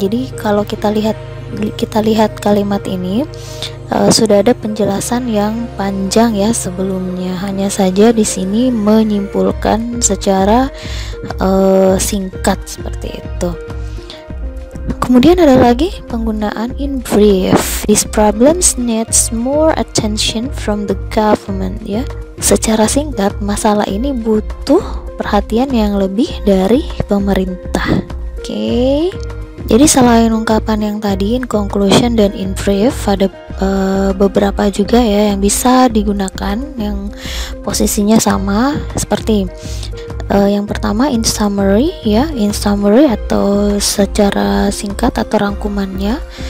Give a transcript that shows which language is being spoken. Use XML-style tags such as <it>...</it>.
<id>Jadi kalau kita lihat kalimat ini sudah ada penjelasan yang panjang ya sebelumnya. Hanya saja di sini menyimpulkan secara singkat seperti itu. Kemudian ada lagi penggunaan in brief.</id> <en>This problem needs more attention from the government ya.</en> <id>Secara singkat, masalah ini butuh perhatian yang lebih dari pemerintah. Oke. Jadi selain ungkapan yang tadi in conclusion dan in brief, ada beberapa juga ya yang bisa digunakan yang posisinya sama seperti yang pertama in summary ya, in summary atau secara singkat atau rangkumannya.</id>